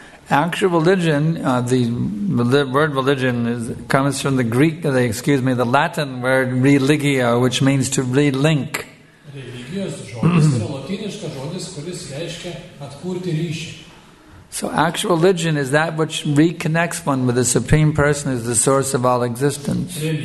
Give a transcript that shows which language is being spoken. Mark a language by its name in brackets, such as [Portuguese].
[English] Actual religion, the word religion comes from the Greek, excuse me, the Latin word religio, which means to relink. [Lithuanian] Religijos žodis yra latiniškas žodis, kuris reiškia atkurti ryšį. [English] So actual religion is that which reconnects one with the Supreme Person as the source of all existence.